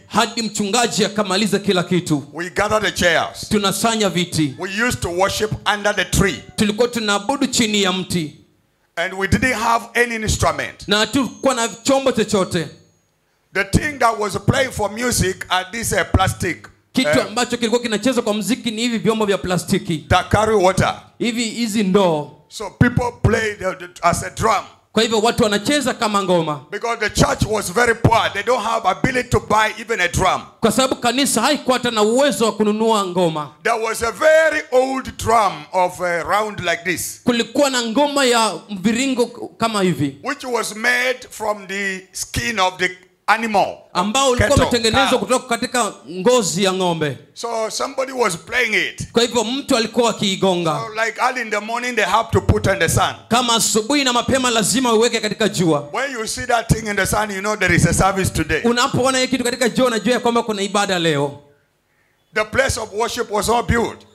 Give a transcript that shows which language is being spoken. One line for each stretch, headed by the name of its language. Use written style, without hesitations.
Swahili: Hadi mchungaji akamaliza kila kitu.
English: We gather the chairs.
Swahili: Tunasanya viti.
English: We used to worship under the tree.
Swahili: Tulikuwa tunaabudu chini ya mti.
English: And we didn't have any instrument.
Swahili: Na hatukuwa na chombo chochote.
English: The thing that was playing for music at this plastic.
Swahili: Kitu ambacho kilikuwa kinachezwa kwa muziki ni hivi vyombo vya plastiki.
English: That carry water.
Swahili: Hivi hizi ndoo.
English: So people played as a drum.
Swahili: Kwa hivyo watu wanacheza kama ngoma.
English: Because the church was very poor, they don't have ability to buy even a drum.
Swahili: Kwa sababu kanisa haikuwa na uwezo wa kununua ngoma.
English: There was a very old drum of a round like this.
Swahili: Kulikuwa na ngoma ya mviringo kama hivi.
English: Which was made from the skin of the animal.
Swahili: Ambao ulikuwa umetengenezwa kutoka katika ngozi ya ng'ombe.
English: So somebody was playing it.
Swahili: Kwa hivyo mtu alikuwa akiigonga.
English: So like early in the morning they have to put in the sun.
Swahili: Kama asubuhi na mapema lazima uweke katika jua.
English: When you see that thing in the sun, you know there is a service today.
Swahili: Unapoona hiyo kitu katika jua unajua kwamba kuna ibada leo.
English: The place of worship was all built.